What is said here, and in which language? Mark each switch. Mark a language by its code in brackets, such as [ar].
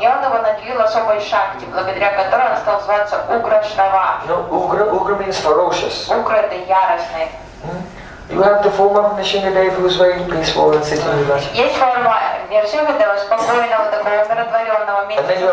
[ru] И он его наделил особой шакти, благодаря которой он стал зваться Ugrashrava. [en] No, Ugra means ferocious. [ru] Ugra — это яростный. [en] You have the form of Nrisimhadeva, who is very peaceful and sitting in the. [ru] Есть форма Нрисимхадева, спокойного, такого умиротворенного, То